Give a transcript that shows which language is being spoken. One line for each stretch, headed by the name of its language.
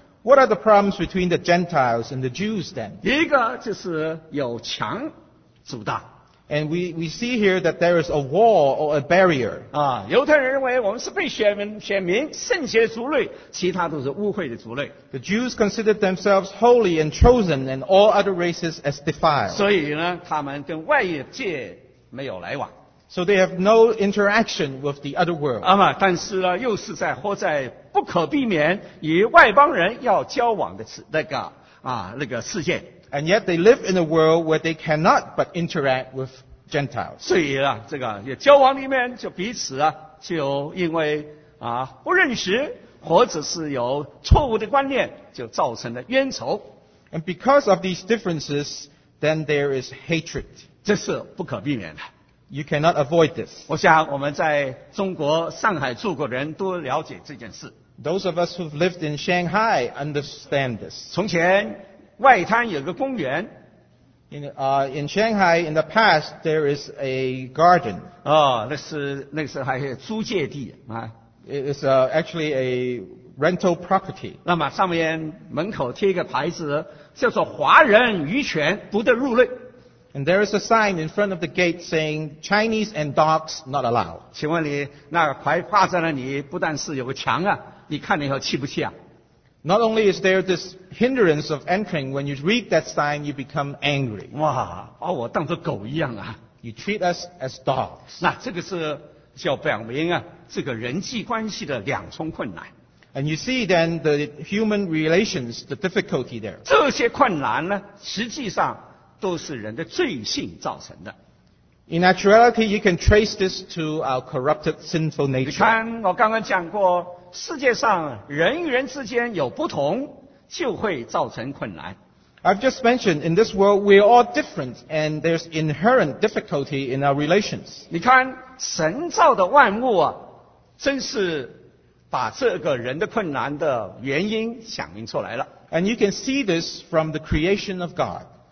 English: What are the problems between the Gentiles and the Jews then?
Chinese: 一个就是有墙阻挡。
English: And we see here that there is a wall or a barrier.
Chinese: 啊，犹太人认为我们是被选民圣洁的族类，其他都是污秽的族类。
English: The Jews considered themselves holy and chosen and all other races as defiled.
Chinese: 所以呢，他们跟外界没有来往。
English: So they have no interaction with the other world.
Chinese: 啊嘛，但是呢，又是在活在不可避免与外邦人要交往的那个世界。
English: And yet they live in a world where they cannot but interact with Gentiles.
Chinese: 所以啊，这个也交往里面就彼此啊，就因为啊不认识，或者是有错误的观念，就造成了冤仇。
English: And because of these differences, then there is hatred.
Chinese: 这是不可避免的。
English: You cannot avoid this.
Chinese: 我想我们在中国上海住过的人都了解这件事。
English: Those of us who've lived in Shanghai understand this.
Chinese: 从前外滩有个公园。
English: In Shanghai, in the past, there is a garden.
Chinese: 哦，那个时候还是租借地啊。
English: It is actually a rental property.
Chinese: 那么上面门口贴一个牌子，叫做“华人渔犬不得入内”。
English: And there is a sign in front of the gate saying Chinese and dogs not allowed.
Chinese: 请问你那牌挂在那里，不但是有个墙啊，你看了以后气不气啊？
English: Not only is there this hindrance of entering, when you read that sign, you become angry.
Chinese: 哇，把我当作狗一样啊！
English: You treat us as dogs.
Chinese: 那这个是叫表明啊，这个人际关系的两重困难。
English: And you see then the human relations, the difficulty there.
Chinese: 这些困难呢，实际上都是人的罪性造成的。
English: In actuality, you can trace this to our corrupted sinful nature.
Chinese: 你看我刚刚讲过，世界上人与人之间有不同，就会造成困难。
English: I've just mentioned, in this world, we are all different, and there's inherent difficulty in our relations.
Chinese: 你看，神造的万物啊，真是把这个人的困难的原因想明出来了。
English: And you can see this from the creation of God.